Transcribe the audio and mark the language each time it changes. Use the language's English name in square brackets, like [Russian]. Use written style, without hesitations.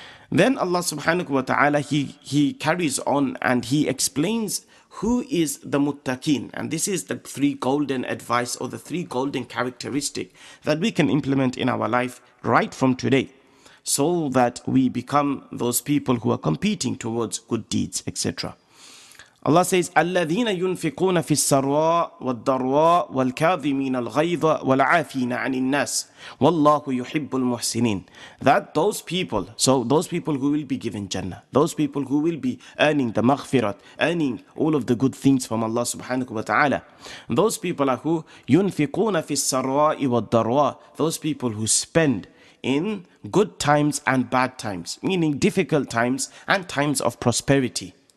[English] Then Allah subhanahu wa ta'ala, he carries on and he explains who is the muttaqin. And this is the three golden advice or the three golden characteristics that we can implement in our life right from today, so that we become those people who are competing towards good deeds, etc. Allah says, [Arabic] الَّذِينَ يُنْفِقُونَ فِي السَّرَّاءِ وَالضَّرَّاءِ وَالْكَاظِمِينَ الْغَيْظَ وَالْعَافِينَ عَنِ النَّاسِ وَاللَّهُ يُحِبُّ الْمُحْسِنِينَ. [English] That those people, so those people who will be given Jannah, those people who will be earning the maghfirat, earning all of the good things from Allah subhanahu wa ta'ala, those people are who, [Arabic] يُنْفِقُونَ فِي السَّرَّاءِ وَالضَّرَّاءِ, [English] those people who spend in good times and bad times, meaning difficult times and times of prosperity.